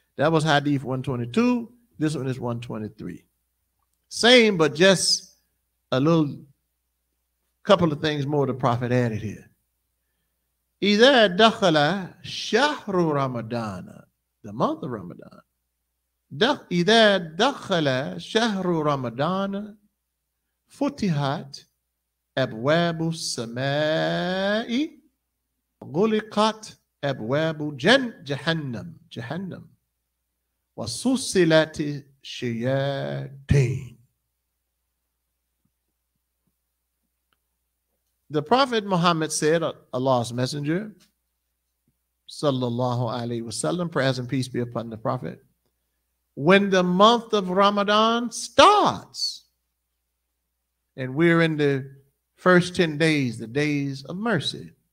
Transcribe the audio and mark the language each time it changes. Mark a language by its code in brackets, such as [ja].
[en] That was Hadith 122. This one is 123. Same, but just a little couple of things more the Prophet added here. [ar] إذا دخل شهر رمضان, [en] the month of Ramadan. [ar] إذا دخل شهر رمضان فتحت أبواب السماء غلقت أبواب جهنم جهنم وسلسلت الشياطين. [en] The Prophet Muhammad said, Allah's messenger, sallallahu alayhi wa sallam, prayers and peace be upon the Prophet, when the month of Ramadan starts, and we're in the first 10 days, the days of mercy,